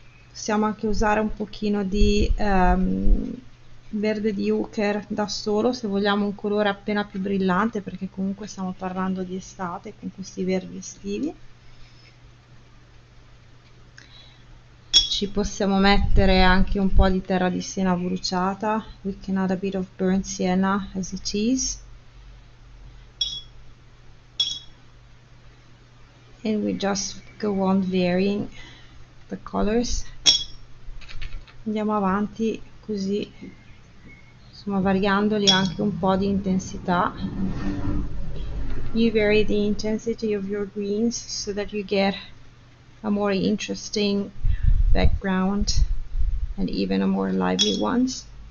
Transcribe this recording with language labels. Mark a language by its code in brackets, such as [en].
[it] Possiamo anche usare un pochino di verde di Hooker da solo se vogliamo un colore appena più brillante, perché comunque stiamo parlando di estate con questi verdi estivi. Ci possiamo mettere anche un po' di terra di Siena bruciata. [en] We can add a bit of burnt Siena as it is. And we just go on varying the colors. [it] Andiamo avanti così, insomma, variandoli anche un po' di intensità. [en] You vary the intensity of your greens so that you get a more interesting background and even a more lively ones.